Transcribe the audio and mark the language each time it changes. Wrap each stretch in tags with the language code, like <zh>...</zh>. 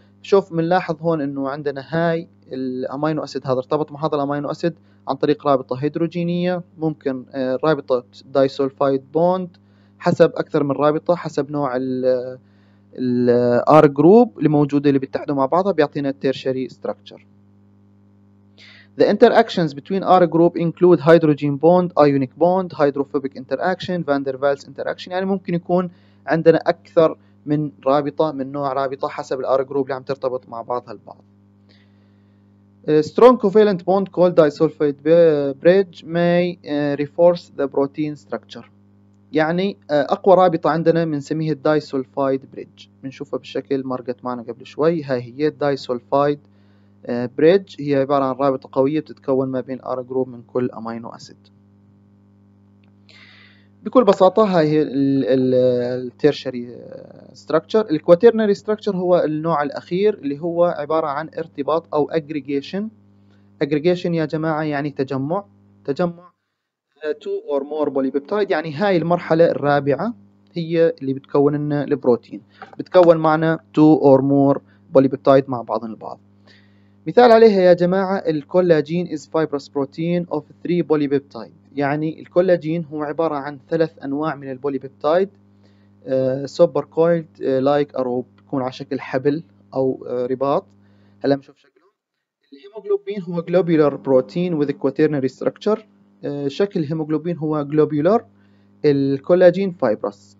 <ar>شوف بنلاحظ هون انه عندنا هاي الامينو اسيد، هذا ارتبط مع هذا الامينو اسيد عن طريق رابطه هيدروجينيه، ممكن رابطه دايسولفايد بوند، حسب اكثر من رابطه حسب نوع الار جروب اللي موجوده اللي بيتحدوا مع بعضها بيعطينا التيرشري ستراكشر.</ar> <en>The interactions between R group include hydrogen bond, ionic bond, hydrophobic interaction, van der Waals interaction.</en> <ar>يعني ممكن يكون عندنا اكثر من رابطة من نوع رابطة حسب الار جروب اللي عم ترتبط مع بعضها البعض.</ar> <en>Strong covalent bond called disulfide bridge may reinforce the protein structure.</en> <ar>يعني أقوى رابطة عندنا بنسميها disulfide bridge. بنشوفها بالشكل مرقت معنا قبل شوي. ها هي disulfide bridge، هي عبارة عن رابطة قوية بتتكون ما بين R group من كل أمينو أسيد. بكل بساطة هاي هي التيرشري ستراكشر. الكواترنري ستراكشر هو النوع الأخير اللي هو عبارة عن ارتباط أو aggregation. aggregation يا جماعة يعني تجمع، تجمع</ar> <en>two or more polypeptide.</en> <ar>يعني هاي المرحلة الرابعة هي اللي بتكون لنا البروتين، بتكون معنا</ar> <en>two or more polypeptide</en> <ar>مع بعض البعض. مثال عليها يا جماعة،</ar> <en>الكولاجين is fibrous protein of three polypeptide.</en> <ar>يعني الكولاجين هو عبارة عن ثلاث أنواع من البوليبيبتايد، سوبر كويلد لايك أروب، بيكون على شكل حبل أو رباط. هلا نشوف شكله. الهيموغلوبين هو جلوبيولر بروتين</ar> <en>with quaternary structure.</en> <ar>شكل الهيموغلوبين هو جلوبيولر، الكولاجين فايبرس.</ar>